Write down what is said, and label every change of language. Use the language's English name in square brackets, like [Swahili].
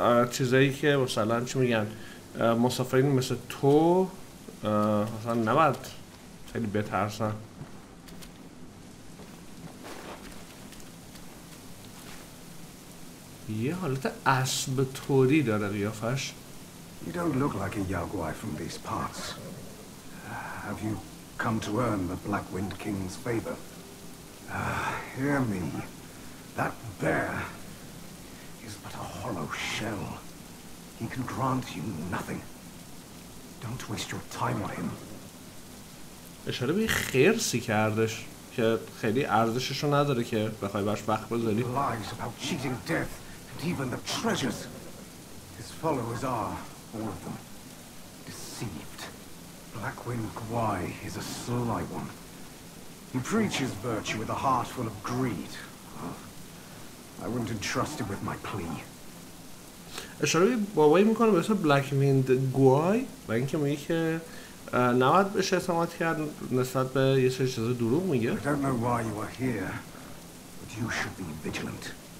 [Persian] چیزایی که مثلا چی میگن مسافرین مثل تو مثلا نباید خیلی بترسن. یه حالت اسب توری داره قیافش. [English] You don't look like a Yagwai from these parts. Have you come to earn the Black Wind King's favor? Hear me. That bear is but a hollow shell. He can grant you nothing. Don't waste your time on him. [Persian] اشاره به خرسی کردش که خیلی ارزشش رو نداره که بخوای باش وقت بذاری. [English] Lies about cheating death and even the treasures. His followers are, all of them, deceived. Blackwind Gwai is a sly one. He preaches virtue with a heart full of greed. I wouldn't entrust him with my plea. [Persian] اشاره به بابایی میکنه به اسم بلکویند گوای و اینکه میگه که نباید بهش اعتماد کرد نسبت به یه سری چیزا دروغ میگه. [English] I don't know why you are here, but you should be vigilant.